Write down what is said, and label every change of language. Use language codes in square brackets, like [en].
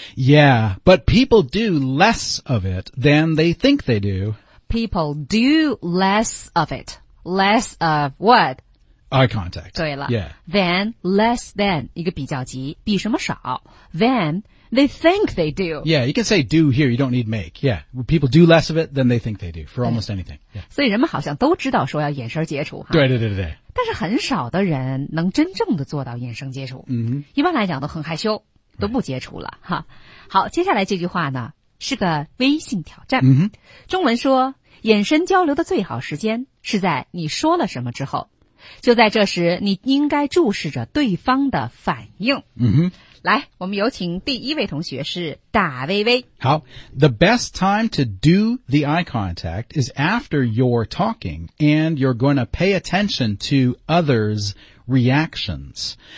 [en] Yeah, but people do less of it than they think they do. People do less of it. Less of what? Eye contact. [zh] 对了、 [en] yeah. Than, less than, 一个比较级比什么少 Than, they think they do. Yeah, you can say do here, you don't need make. Yeah, people do less of it than they think they do for almost anything.、Yeah. [zh] 所以人们好像都知道说要眼神接触。对对对对对。但是很少的人能真正的做到眼神接触。 Mm-hmm. 一般来讲都很害羞都不接触了、right. 哈。好接下来这句话呢是个微信挑战。 Mm-hmm. 中文说眼神交流的最好时间是在你说了什么之后。就在这时你应该注视着对方的反应。 Mm-hmm. 来我们有请第一位同学是大薇薇。 [en] 好 ,the best time to do the eye contact is after you're talking and you're going to pay attention to others' reactions.